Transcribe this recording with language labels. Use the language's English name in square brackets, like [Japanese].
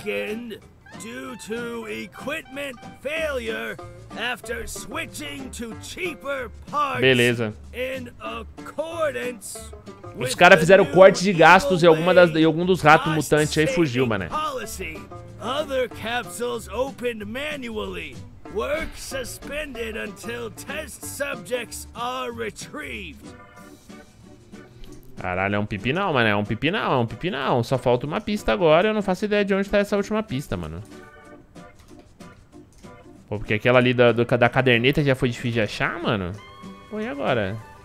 [English] Due to equipment failure after switching to cheaper parts. [Portuguese] Beleza. [English] In accordance with. [Portuguese] Os caras fizeram corte de gastos e alguma das e algum dos ratos mutantes aí fugiu, mané. [English] Other capsules opened manually. Work suspended until test subjects are retrieved. [Portuguese] Caralho, é um pipinão, mano. É um pipinão, é um pipinão. Só falta uma pista agora. Eu não faço ideia de onde tá essa última pista, mano. Pô, porque aquela ali da caderneta já foi difícil de achar, mano. Pô, e agora?